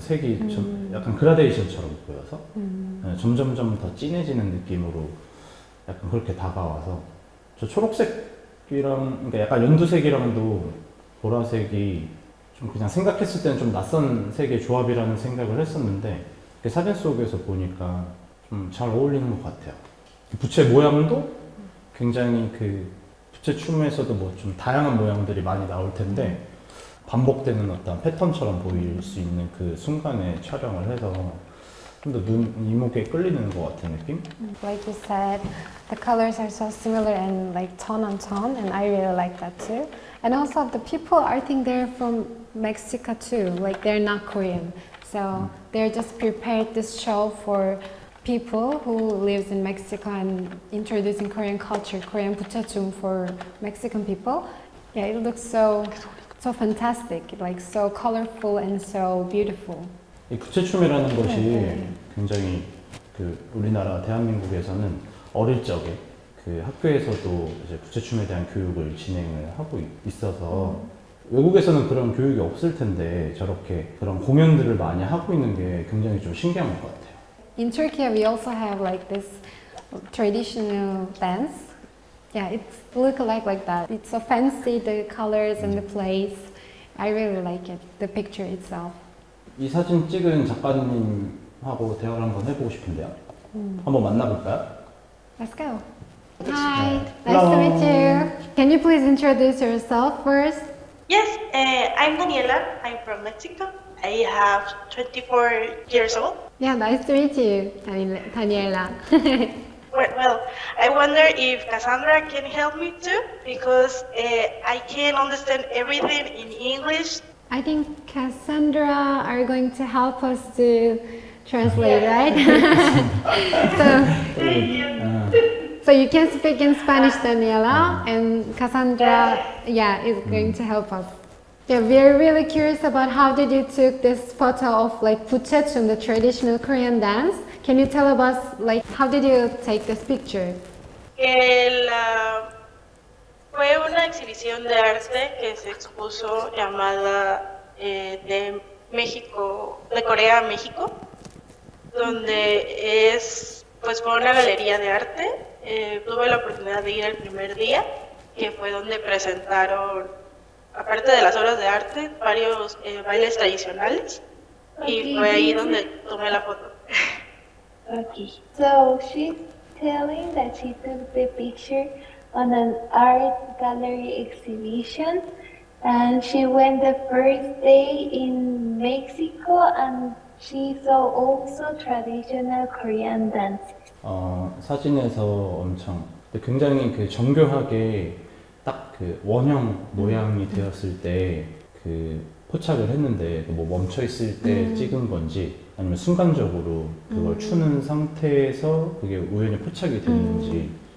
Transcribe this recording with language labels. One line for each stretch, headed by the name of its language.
Korean: 그 색이 좀 약간 그라데이션처럼 보여서 네, 점점점 더 진해지는 느낌으로 약간 그렇게 다가와서 저 초록색 이랑 그러니까 약간 연두색이랑도 보라색이 좀 그냥 생각했을 때는 좀 낯선 색의 조합이라는 생각을 했었는데 그 사진 속에서 보니까 좀 잘 어울리는 것 같아요. 부채 모양도 굉장히 그 부채 춤에서도 뭐 좀 다양한 모양들이 많이 나올 텐데 반복되는 어떤 패턴처럼 보일 수 있는 그 순간에 촬영을 해서 좀 더 눈 이목에 끌리는 것 같은 느낌?
English: Like you said, the colors are so similar and like tone on tone, and I really like that too. And also the people, I think they're from Mexico too. Like they're not Korean, so they're just prepared this show for people who lives in Mexico and introducing Korean culture, Korean 부채춤 for Mexican people. Yeah, it looks so fantastic, like so colorful and so beautiful.
Korean: 이 부채춤이라는 것이 굉장히 그 우리나라 대한민국에서는 어릴 적에 그 학교에서도 이제 부채춤에 대한 교육을 진행을 하고 있어서 외국에서는 그런 교육이 없을 텐데 저렇게 그런 공연들을 많이 하고 있는 게 굉장히 좀 신기한 것 같아요.
English: In Turkey, we also have like this traditional dance. Yeah, it looks like that. It's so fancy, the colors and the place. I really like it, the picture itself.
Korean: 이 사진 찍은 작가님하고 대화를 한번 해보고 싶은데요. 한번 만나볼까요?
English: Let's go. Hi, nice to meet you. Can you please introduce yourself first? Yes, I'm Daniela. I'm from Mexico. I have 24 years old. Yeah, nice to meet you, Daniela. Well, I wonder if Cassandra can help me too, because I can't understand everything in English. I think Cassandra are going to help us to translate, right? So you can speak in Spanish, Daniela, and Cassandra, yeah, is going to help us. Yeah, we are really curious about how did you took this photo of like 부채춤, the traditional Korean dance. Can you tell us like how did you take this picture?
Spanish: Fue una exhibición de arte que se expuso llamada de México, de Corea a México, donde es, pues fue una galería de arte. Tuve la oportunidad de ir el primer día, que fue donde presentaron, aparte de las obras de arte, varios bailes tradicionales, y fue ahí donde tomé la foto.
English: Okay, so she's telling that she took the picture on an art gallery exhibition, and she went the first day in Mexico, and she saw also traditional Korean dance.
Korean: 사진에서 엄청 근데 굉장히 그 정교하게 딱 그 원형 모양이 되었을 때 그 포착을 했는데 뭐 멈춰 있을 때 찍은 건지 아니면 순간적으로 그걸 추는 상태에서 그게 우연히 포착이 됐는지.